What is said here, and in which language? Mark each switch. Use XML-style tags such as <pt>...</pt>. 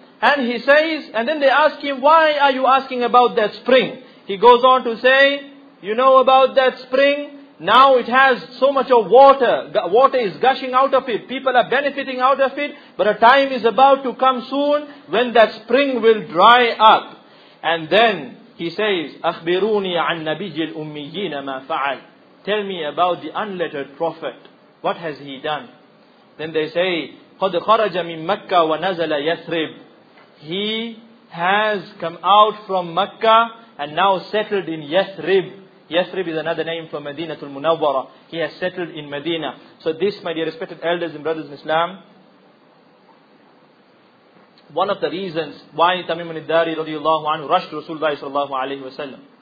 <en>And he says, and then they ask him, "Why are you asking about that spring?" He goes on to say, You know about that spring? Now it has so much of water. Water is gushing out of it. People are benefiting out of it. But a time is about to come soon when that spring will dry up. And then he says,</en> <ar>أخبروني عن نبي الأميين ما فعل.</ar> <en>Tell me about the unlettered prophet. What has he done? Then they say,</en> <ar>قد خرج من مكة ونزل يثرب.</ar> <en>He has come out from Mecca and now settled in Yathrib. Yathrib is another name for Madinatul Munawwara. He has settled in Medina. So this, my dear respected elders and brothers in Islam, one of the reasons why Tamim al-Dari radiallahu anhu rushed Rasulullah sallallahu alayhi wa sallam.</en>